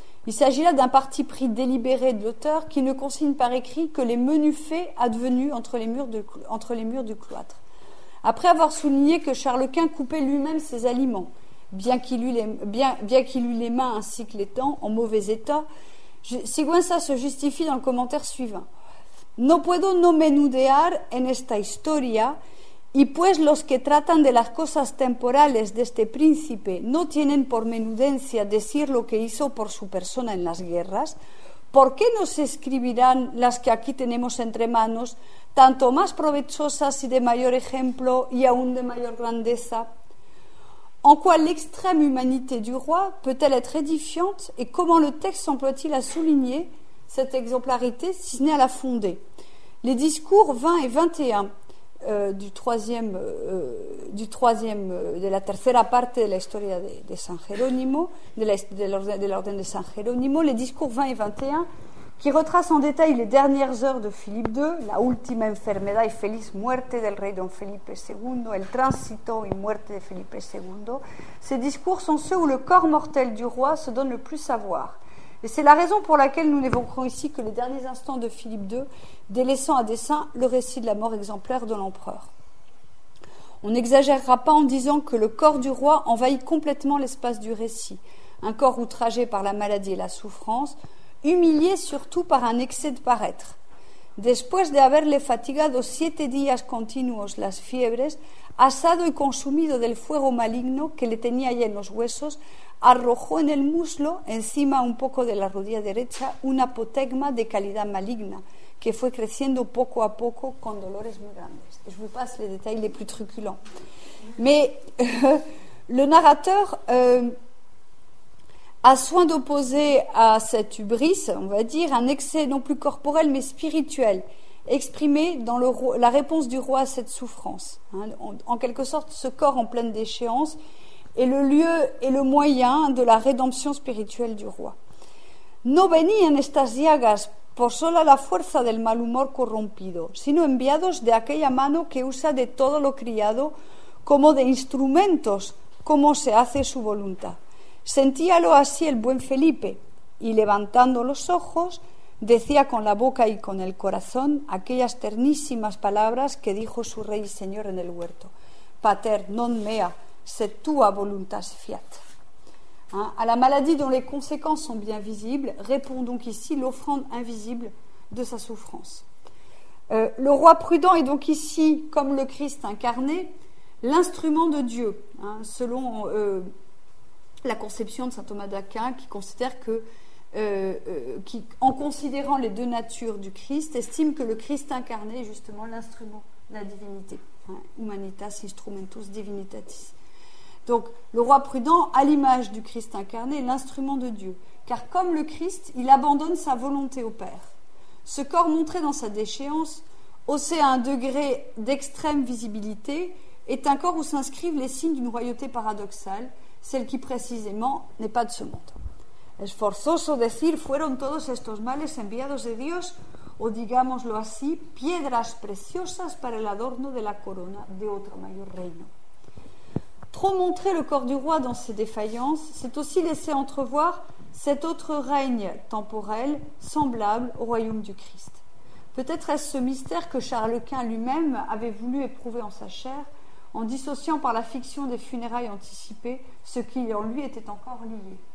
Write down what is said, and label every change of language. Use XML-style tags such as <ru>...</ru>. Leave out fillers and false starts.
<fr>Il s'agit là d'un parti pris délibéré de l'auteur qui ne consigne par écrit que les menus faits advenus entre les murs du cloître. Après avoir souligné que Charles Quint coupait lui-même ses aliments, bien qu'il eût les mains ainsi que les dents en mauvais état, Sigüenza se justifie dans le commentaire suivant.</fr> <es>No puedo no menudear en esta historia, y pues los que tratan de las cosas temporales de este príncipe no tienen por menudencia decir lo que hizo por su persona en las guerras, ¿por qué no se escribirán las que aquí tenemos entre manos, tanto más provechosas y de mayor ejemplo y aún de mayor grandeza?</es> <fr>En quoi l'extrême humanité du roi peut-elle être édifiante et comment le texte emploie-t-il à souligner cette exemplarité, si ce n'est à la fonder? Les discours 20 et 21 de</fr> <es>la tercera parte de la historia de San Jerónimo,</es> <fr>de l'ordre de San Jerónimo, les discours 20 et 21, qui retracent en détail les dernières heures de Philippe II,</fr> <es>la última enfermedad y feliz muerte del rey don Felipe II,</es> <fr>el tránsito y muerte de Felipe II. Ces discours sont ceux où le corps mortel du roi se donne le plus à voir. Et c'est la raison pour laquelle nous n'évoquerons ici que les derniers instants de Philippe II, délaissant à dessein le récit de la mort exemplaire de l'empereur. On n'exagérera pas en disant que le corps du roi envahit complètement l'espace du récit, un corps outragé par la maladie et la souffrance, humilié surtout par un excès de paraître.</fr> <es>Después de haberle fatigado siete días continuos las fiebres, asado y consumido del fuego maligno que le tenía ya en los huesos, arrojó en el muslo, encima un poco de la rodilla derecha, un apotegma de calidad maligna, que fue creciendo poco a poco con dolores muy grandes.</es> <fr>Je vous passe les détails les plus truculents. Mais le narrateur a soin d'opposer à cette hubris, on va dire, un excès non plus corporel mais spirituel, exprimé dans la réponse du roi à cette souffrance. Hein, en quelque sorte, ce corps en pleine déchéance est le lieu et le moyen de la rédemption spirituelle du roi.</fr> <es>No vení en estas llagas por sola la fuerza del mal humor corrompido, sino enviados de aquella mano que usa de todo lo criado como de instrumentos, como se hace su voluntad. Sentíalo así el buen Felipe, y levantando los ojos, decía con la boca y con el corazón aquellas ternísimas palabras que dijo su rey y señor en el huerto:</es> <la>Pater, non mea, sed tua voluntas fiat.</la> <fr>Hein, à la maladie dont les conséquences sont bien visibles, répond donc ici l'offrande invisible de sa souffrance. Le roi prudent est donc ici, comme le Christ incarné, l'instrument de Dieu, hein, selon la conception de saint Thomas d'Aquin, qui considère que, qui, en considérant les deux natures du Christ, estime que le Christ incarné est justement l'instrument de la divinité. Hein,</fr> <la>humanitas instrumentus divinitatis.</la> <fr>Donc, le roi prudent, à l'image du Christ incarné, est l'instrument de Dieu. Car comme le Christ, il abandonne sa volonté au Père. Ce corps montré dans sa déchéance, haussé à un degré d'extrême visibilité, est un corps où s'inscrivent les signes d'une royauté paradoxale, celle qui précisément n'est pas de ce monde.</fr> <es>Es forzoso decir, fueron todos estos males enviados de Dios, o digámoslo así, piedras preciosas para el adorno de la corona de otro mayor reino.</es> <fr>Trop montrer le corps du roi dans ses défaillances, c'est aussi laisser entrevoir cet autre règne temporel semblable au royaume du Christ. Peut-être est-ce ce mystère que Charles Quint lui-même avait voulu éprouver en sa chair, en dissociant par la fiction des funérailles anticipées ce qui en lui était encore lié.</fr>